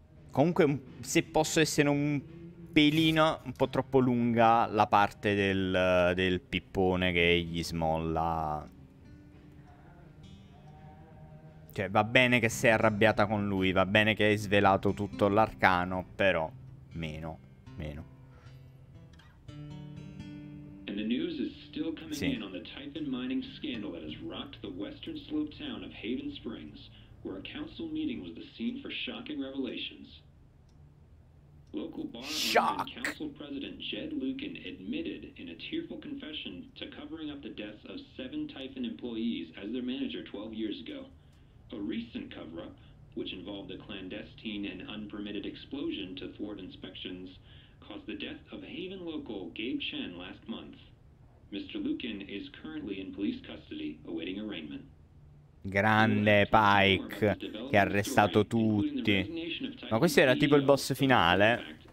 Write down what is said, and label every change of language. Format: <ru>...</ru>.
<it>Comunque, se posso essere un pelino un po' troppo lunga la parte del pippone che gli smolla. Cioè, va bene che sei arrabbiata con lui, va bene che hai svelato tutto l'arcano, però meno, meno.</it> <en>And the news is still coming in on the Typhon mining scandal that has rocked the western slope town of Haven Springs, where a council meeting was the scene for shocking revelations. Local bar Shock. And council president Jed Lucan admitted in a tearful confession to covering up the deaths of 7 Typhon employees as their manager 12 years ago. A recent cover-up, which involved a clandestine and unpermitted explosion to thwart inspections, caused the death of Haven local Gabe Chen last month. Mr. Lucan is currently in police custody, awaiting arraignment.</en> <it>Grande Pike, che ha arrestato tutti. Ma questo era tipo il boss finale?</it>